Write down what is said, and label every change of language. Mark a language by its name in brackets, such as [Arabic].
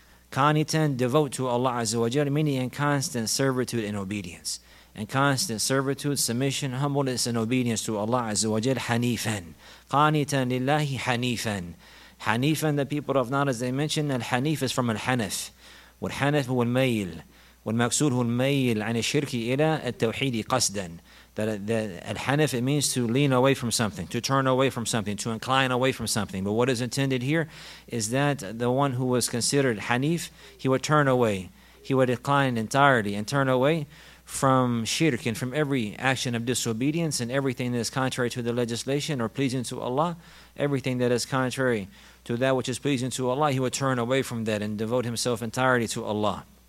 [English] Qanitan, devote to Allah Azza wa Jalla, meaning in constant servitude and obedience. And constant servitude, submission, humbleness, and obedience to Allah Azza wa Jalla, hanifan. [Arabic] Qanitan lillahi hanifan. [English] Hanifan, the people of knowledge, they mention, al-hanif is from al-hanif. [Arabic] Wal-hanif huwa al-mayl. والمقصود هو الميل عن الشرك إلى التوحيد قصدا. [English] That al-hanif, it means to lean away from something, to turn away from something, to incline away from something. But what is intended here is that the one who was considered hanif, he would turn away, he would incline entirely and turn away from shirk and from every action of disobedience and everything that is contrary to the legislation or pleasing to Allah, everything that is contrary to that which is pleasing to Allah, he would turn away from that and devote himself entirely to Allah.